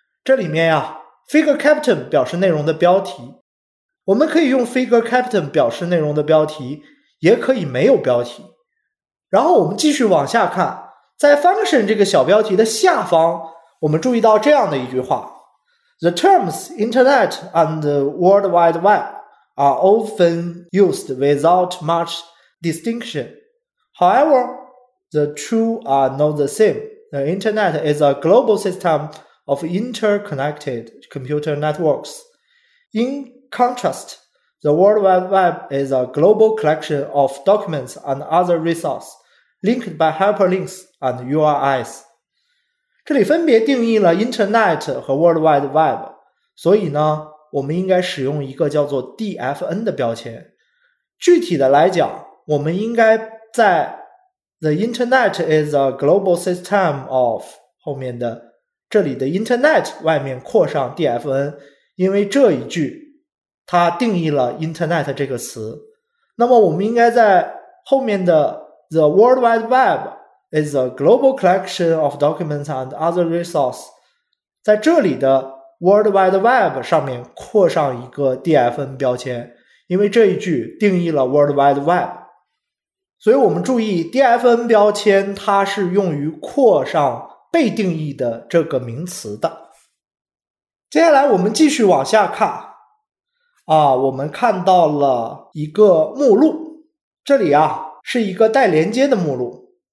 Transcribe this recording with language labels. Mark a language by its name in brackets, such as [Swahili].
[Chinese] 这里面啊 ，figure caption 表示内容的标题，我们可以用 figure caption 表示内容的标题，也可以没有标题。然后我们继续往下看，在 function 这个小标题的下方，我们注意到这样的一句话 ： [English] The terms Internet and World Wide Web。 are often used without much distinction. However, the two are not the same. The Internet is a global system of interconnected computer networks. In contrast, the World Wide Web is a global collection of documents and other resources linked by hyperlinks and URIs. [Chinese] 这里分别定义了 Internet 和 World Wide Web, 所以呢我们应该使用一个叫做 DFN 的标签。具体的来讲，我们应该在 [English] the internet is a global system of [Chinese] 后面的这里的 internet 外面括上 DFN， 因为这一句它定义了 internet 这个词。那么我们应该在后面的 [English] the world wide web is a global collection of documents and other resources， [Chinese] 在这里的 world wide web 上面括上一个 DFN 标签，因为这一句定义了 world wide web。所以我们注意 DFN 标签它是用于括上被定义的这个名词的。接下来我们继续往下看啊，我们看到了一个目录，这里啊是一个带连接的目录。